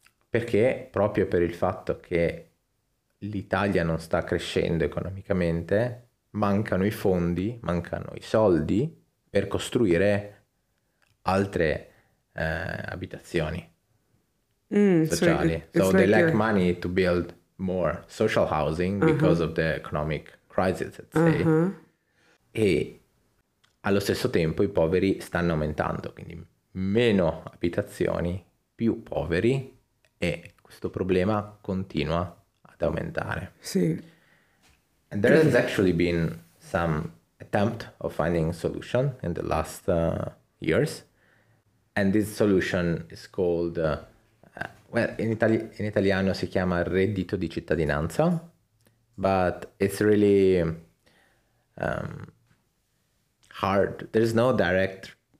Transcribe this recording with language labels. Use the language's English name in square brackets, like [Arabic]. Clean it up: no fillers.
[Italian] Perché proprio per il fatto che l'Italia non sta crescendo economicamente, mancano i fondi, mancano i soldi per costruire altre abitazioni sociali. [English] So they lack money to build more social housing because of the economic crisis, let's say. [Italian] E allo stesso tempo i poveri stanno aumentando, quindi meno abitazioni, più poveri, e questo problema continua ad aumentare. Sì. [English] And there has actually been some attempt of finding solution in the last years, and this solution is called [Italian] in italiano si chiama [English] reddito di cittadinanza, but it's really hard. There's no direct